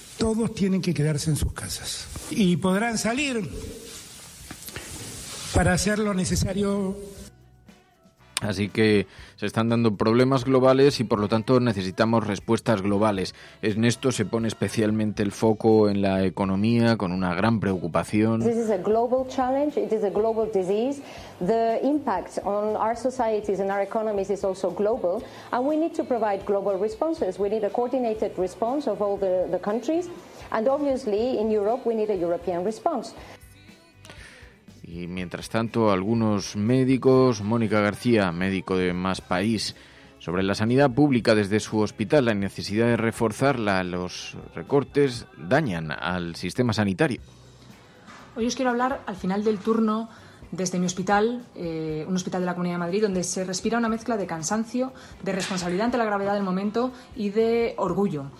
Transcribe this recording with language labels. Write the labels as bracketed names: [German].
[Spanish] Todos tienen que quedarse en sus casas. Y podrán salir para hacer lo necesario. Así que se están dando problemas globales y por lo tanto necesitamos respuestas globales. En esto se pone especialmente el foco en la economía con una gran preocupación. [English] This is a global challenge, it is a global disease. The impact on our societies and our economies is also global and we need to provide global responses. We need a coordinated response of all the countries and obviously in Europe we need a European response. [Spanish] Y mientras tanto, algunos médicos, Mónica García, médico de Más País, sobre la sanidad pública desde su hospital, la necesidad de reforzarla, los recortes dañan al sistema sanitario. Hoy os quiero hablar, al final del turno, desde mi hospital, un hospital de la Comunidad de Madrid, donde se respira una mezcla de cansancio, de responsabilidad ante la gravedad del momento y de orgullo.